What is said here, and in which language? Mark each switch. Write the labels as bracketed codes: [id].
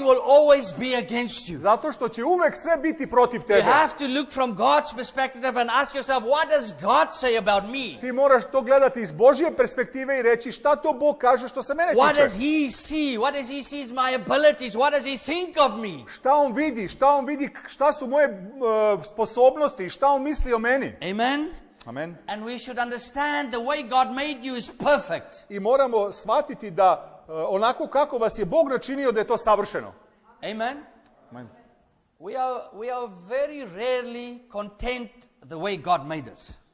[en] Will always be against you. [sr] Zato što će uvijek sve biti protiv tebe. [en] You have to look from God's perspective and ask yourself, what does God say about me? [sr] Ti moraš to gledati iz Božje perspektive i reći šta to Bog kaže što se mene tiče. [en] What does he see? What does he see is my abilities? What does he think of me? [sr] Šta on vidi? Šta on vidi? Šta su moje sposobnosti? Šta on misli o meni? Amen. [en] Amen. And we should understand the way God made you is perfect. [sr] I moramo shvatiti da onako kako vas je Bog načinio da je to savršeno. [en] Amen. [sr] Amen. [en] We are very rarely content the way God made us.